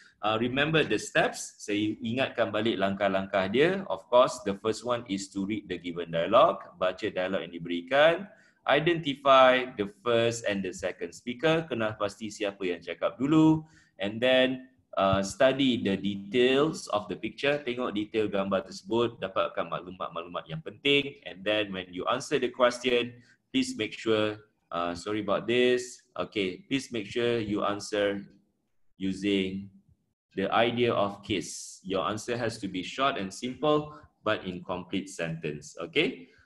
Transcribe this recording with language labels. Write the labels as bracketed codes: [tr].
[en] Remember the steps. [ms] Saya ingatkan balik langkah-langkah dia. [en] Of course, the first one is to read the given dialogue. [ms] Baca dialogue yang diberikan. [en] Identify the first and the second speaker. [ms] Kena pasti siapa yang cakap dulu. [en] And then study the details of the picture. [ms] Tengok detail gambar tersebut. Dapatkan maklumat-maklumat yang penting. [en] And then when you answer the question, please make sure, sorry about this. Okay, please make sure you answer using the idea of kiss. Your answer has to be short and simple, but in complete sentence. Okay?